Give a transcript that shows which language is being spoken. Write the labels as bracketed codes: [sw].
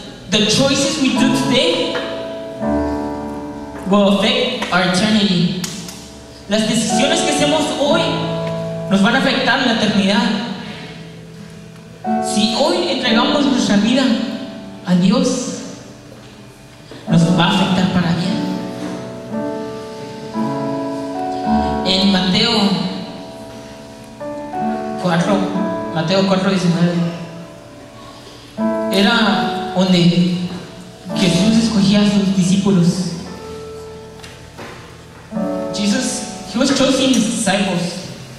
[en] The choices we do today will affect our eternity. [es] Las decisiones que hacemos hoy nos van a afectar en la eternidad. Si hoy entregamos nuestra vida a Dios, nos va a afectar para bien. En Mateo 4:19, era donde Jesús escogía a sus discípulos. [en] Jesús, he was choosing his disciples.